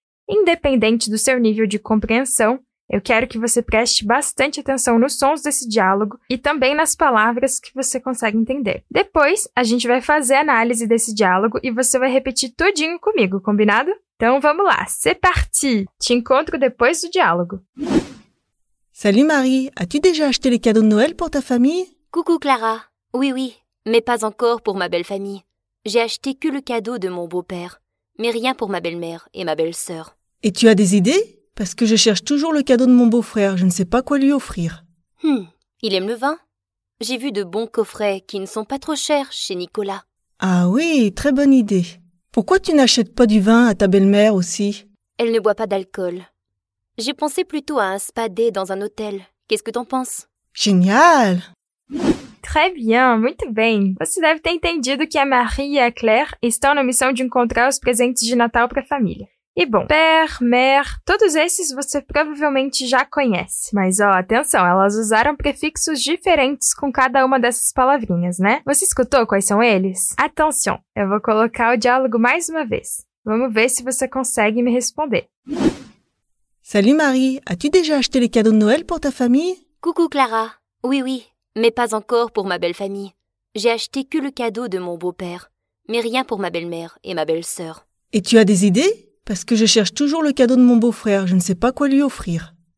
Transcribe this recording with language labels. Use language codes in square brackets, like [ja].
[pt] Independente do seu nível de compreensão, eu quero que você preste bastante atenção nos sons desse diálogo e também nas palavras que você consegue entender. Depois, a gente vai fazer a análise desse diálogo e você vai repetir tudinho comigo, combinado? Então vamos lá, [fr] c'est parti! [pt] Te encontro depois do diálogo. [fr] Salut Marie, as-tu déjà acheté les cadeaux de Noël pour ta famille? Coucou Clara, oui oui, mais pas encore pour ma belle famille. J'ai acheté que le cadeau de mon beau-père, mais rien pour ma belle-mère et ma belle-sœur. Et tu as des idées? Parce que je cherche toujours le cadeau de mon beau-frère, je ne sais pas quoi lui offrir. Il aime le vin. J'ai vu de bons coffrets qui ne sont pas trop chers chez Nicolas. Ah oui, très bonne idée. Pourquoi tu n'achètes pas du vin à ta belle-mère aussi? Elle ne boit pas d'alcool. J'ai pensé plutôt à un spa day dans un hôtel. Qu'est-ce que t'en penses? Génial! Très bien, [pt] muito bem. Você deve ter entendido que a Marie e a Claire estão na missão de encontrar os presentes de Natal para a família. E bom, père, mère, todos esses você provavelmente já conhece. Mas ó, atenção, elas usaram prefixos diferentes com cada uma dessas palavrinhas, né? Você escutou quais são eles? Attention, eu vou colocar o diálogo mais uma vez. Vamos ver se você consegue me responder. [fr] Salut Marie, as-tu déjà acheté les cadeaux de Noël pour ta famille? Coucou Clara, oui oui. Mais pas encore pour ma belle famille. J'ai acheté que le cadeau de mon beau-père, mais rien pour ma belle-mère et ma belle-sœur. Et tu as des idées? Parce que je cherche toujours le cadeau de mon beau-frère, je ne sais pas quoi lui offrir.